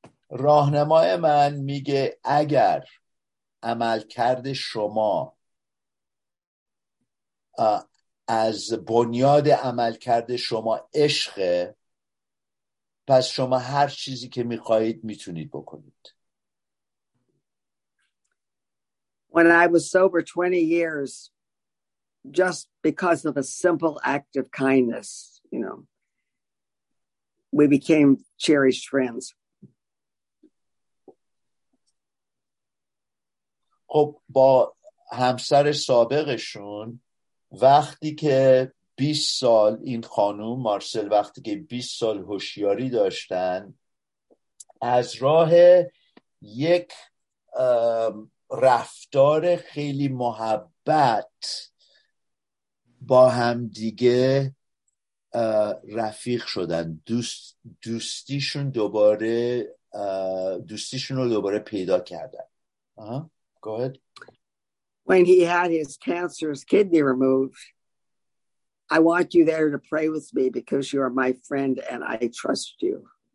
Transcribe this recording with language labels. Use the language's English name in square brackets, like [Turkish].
[Persian] راهنمای من میگه اگر عملکرد شما از بنیاد عملکرد شما عشق، پس شما هر چیزی که میخواهید میتونید بکنید. [English] When I was sober 20 years, just because of a simple act of kindness, you know, we became cherished friends. [Persian] خب با همسر سابقشون وقتی که 20 سال، این خانوم مارسل وقتی که 20 سال هوشیاری داشتن، از راه یک رفتار خیلی محبت با هم دیگه رفیق شدن، دوستیشون رو دوباره پیدا کردن. [English] Go ahead. When he had his cancerous kidney removed, I want you there to pray with me because you are my friend and I trust you.